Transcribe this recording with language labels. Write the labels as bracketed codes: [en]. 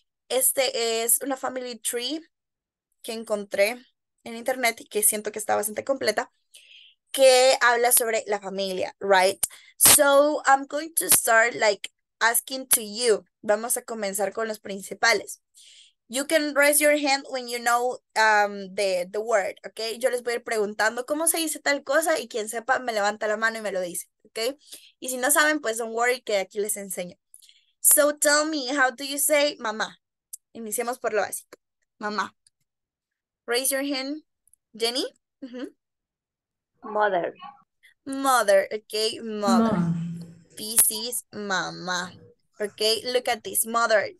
[es] Este es una family tree que encontré en internet y que siento que está bastante completa, que habla sobre la familia, right? [en] So I'm going to start like asking to you. [es] Vamos a comenzar con los principales. [en] You can raise your hand when you know the word, okay? [es] Yo les voy a ir preguntando cómo se dice tal cosa y quien sepa me levanta la mano y me lo dice, okay? Y si no saben, pues [en] don't worry [es] que aquí les enseño. [en] So tell me, how do you say mamá? [es] Iniciemos por lo básico. Mamá. [en] Raise your hand, [es] Jenny. [en] Mother. Mother, okay, mother. Mom. This is mama. Okay, look at this. Mother.